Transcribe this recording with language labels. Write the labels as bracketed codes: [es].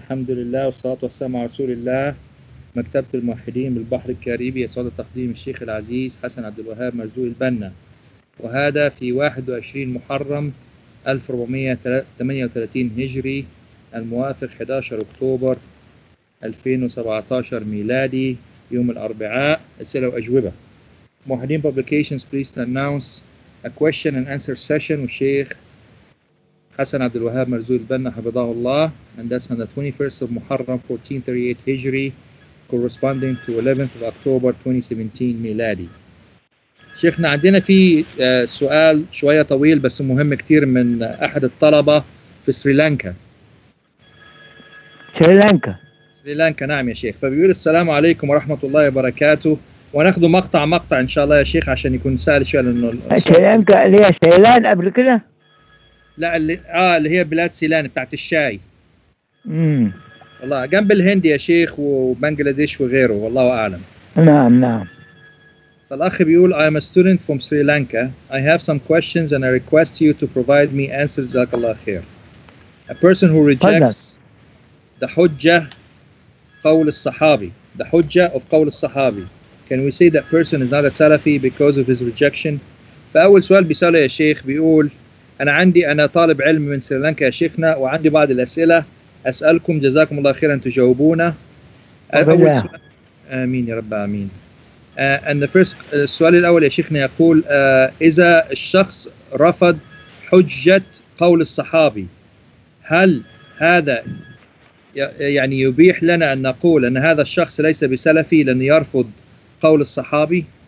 [ar] الحمد لله والصلاة والسلام على رسول الله. مكتبة الموحدين بالبحر الكاريبي يسعد تقديم الشيخ العزيز حسن عبد الوهاب مرزوق البنا، وهذا في 21 محرم 1438 هجري الموافق 11 أكتوبر 2017 ميلادي يوم الأربعاء. أسئلة وأجوبة. [en] موحدين Publications pleased to announce a question and answer session with Sheikh حسن عبد الوهاب مرزوق البنا حفظه الله, and that's on the 21st of Muharram 1438 Hijri, corresponding to 11th of October 2017 ميلادي. [ar] شيخنا, عندنا في سؤال شوية طويل بس مهم كتير من أحد الطلبة في سريلانكا. سريلانكا. سريلانكا, نعم يا شيخ. فبيقول السلام عليكم ورحمة الله وبركاته, ونأخذ مقطع إن شاء الله يا شيخ عشان يكون سهل شوية, لأنه سريلانكا اللي هي سيلان قبل كده. لا اللي هي بلاد سيلان بتاعت الشاي. والله جنب الهند يا شيخ وبنغلاديش وغيره, والله أعلم. نعم نعم. فالأخ بيقول [en] I am a student from Sri Lanka. I have some questions and I request you to provide me answers. [ar] جزاك الله خير. [en] A person who rejects the hujjah قول الصحابي, the hujjah of قول الصحابي, can we say that person is not a Salafi because of his rejection? [ar] فأول سؤال بيسأله يا شيخ, بيقول أنا طالب علم من سريلانكا يا شيخنا, وعندي بعض الأسئلة أسألكم جزاكم الله خيرا تجاوبونا. أول سؤال, آمين يا رب آمين. [en] And the first, [ar] السؤال الأول يا شيخنا يقول إذا الشخص رفض حجة قول الصحابي, هل هذا يعني يبيح لنا أن نقول أن هذا الشخص ليس بسلفي لأنه يرفض قول الصحابي؟